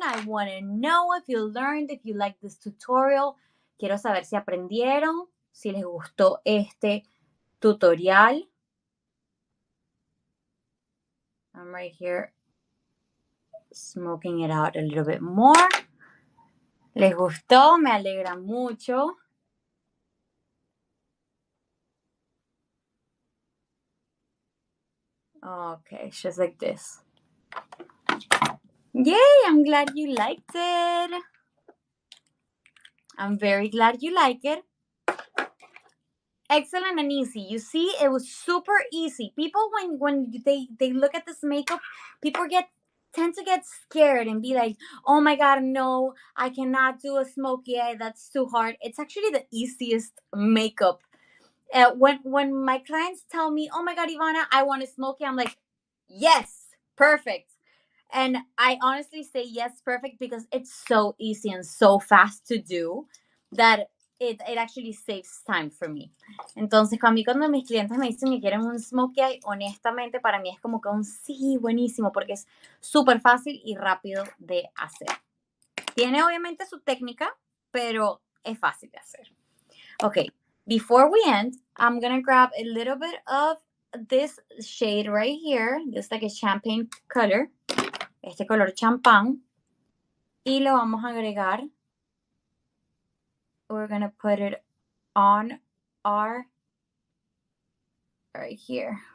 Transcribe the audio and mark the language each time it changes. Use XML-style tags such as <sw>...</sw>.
<en>I want to know if you learned, if you like this tutorial.</en> <es>Quiero saber si aprendieron, si les gustó este tutorial.</es> <en>I'm right here smoking it out a little bit more.</en> <es>¿Les gustó? Me alegra mucho.</es> <en>Okay, just like this. Yay, I'm glad you liked it. I'm very glad you like it. Excellent and easy. You see, it was super easy. People, when they look at this makeup, people tend to get scared and be like, oh my God, no, I cannot do a smokey eye. That's too hard. It's actually the easiest makeup. When my clients tell me, oh my God, Ivana, I want a smokey, I'm like, yes, perfect. And I honestly say yes, perfect, because it's so easy and so fast to do that it actually saves time for me.</en> <es>Entonces, a mí cuando mis clientes me dicen que quieren un smokey eye, honestamente, para mí es como que un sí, buenísimo, porque es súper fácil y rápido de hacer. Tiene obviamente su técnica, pero es fácil de hacer.</es> <en>Okay. Before we end, I'm going to grab a little bit of this shade right here. This like a champagne color.</en> <es>Este color champán. Y lo vamos a agregar.</es> <en>We're going to put it on our right here.</en>